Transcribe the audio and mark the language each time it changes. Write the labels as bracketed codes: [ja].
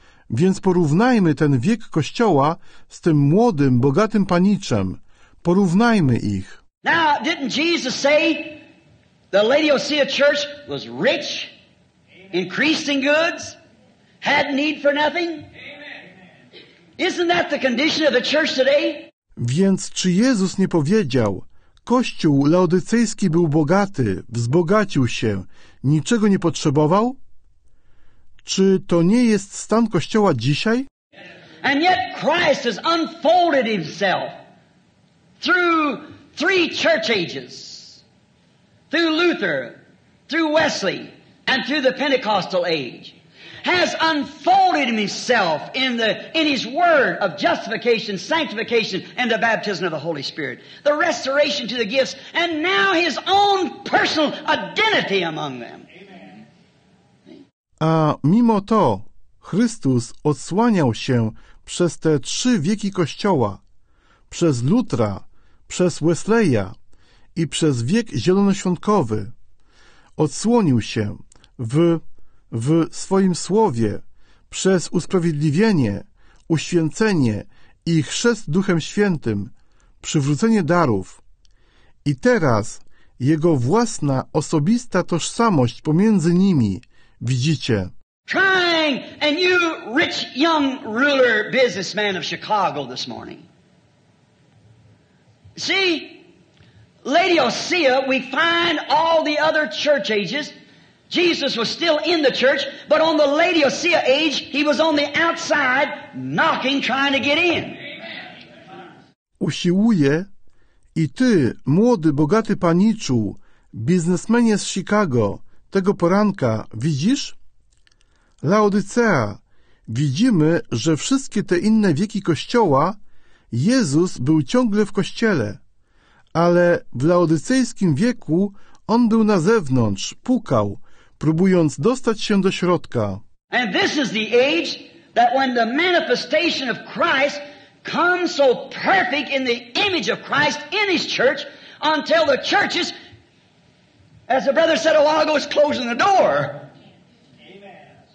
[pl] Więc porównajmy ten wiek Kościoła z tym młodym, bogatym paniczem. Porównajmy ich. [en] Now, didn't Jesus say the Laodicea church was rich, increased in goods, had need for nothing? Isn't that the condition of the church today? [pl] Więc czy Jezus nie powiedział, kościół laodycejski był bogaty, wzbogacił się, niczego nie potrzebował? Czy to nie jest stan kościoła dzisiaj? [en] And yet Christ has unfolded himself through three church ages, through Luther, through Wesley, and through the Pentecostal age. Has unfolded himself in his word of justification, sanctification, and the baptism of the Holy Spirit, the restoration to the gifts, and now his own personal identity among them. [pl] A mimo to, Chrystus odsłaniał się przez te trzy wieki Kościoła, przez Lutra, przez Wesleya i przez wiek zielonoświątkowy. Odsłonił się w swoim Słowie, przez usprawiedliwienie, uświęcenie i chrzest Duchem Świętym, przywrócenie darów. I teraz jego własna, osobista tożsamość pomiędzy nimi, widzicie. [en] Trying a new rich young ruler businessman of Chicago this morning. See, Laodicea, we find all the other church ages. Jesus was still in the church, but on the Laodicea age, he was on the outside, knocking, trying to get in. [pl] Usiłuje i ty, młody, bogaty paniczu, biznesmenie z Chicago, tego poranka, widzisz? Laodicea, widzimy, że wszystkie te inne wieki Kościoła, Jezus był ciągle w Kościele, ale w laodycejskim wieku on był na zewnątrz, pukał, próbując dostać się do środka. [en] And this is the age that when the manifestation of Christ comes so perfect in the image of Christ in his church until the church is, as the brother said a while ago, is closing the door. Amen.